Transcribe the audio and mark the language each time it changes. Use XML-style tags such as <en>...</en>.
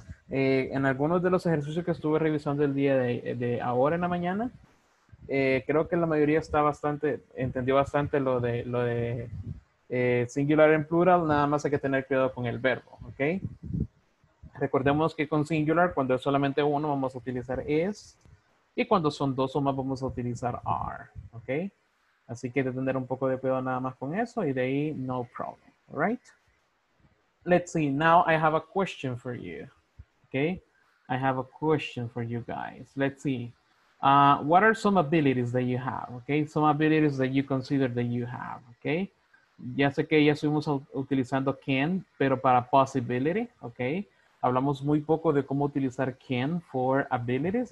<es>En algunos de los ejercicios que estuve revisando el día de ahora en la mañana, creo que la mayoría está bastante, entendió bastante lo de singular en plural, nada más hay que tener cuidado con el verbo, ¿ok? Recordemos que con singular, cuando es solamente uno, vamos a utilizar is, y cuando son dos o más, vamos a utilizar are, ¿ok? Así que hay que tener un poco de cuidado nada más con eso, y de ahí,</es> <en>no problem,</en> <es>¿right?</es> <en>Let's see, now I have a question for you, ¿ok? I have a question for you guys, let's see. What are some abilities that you have, okay? Some abilities that you consider that you have, okay?</en> <es>Ya sé que ya estuvimos utilizando can, pero para possibility, okay? Hablamos muy poco de cómo utilizar can for abilities.</es>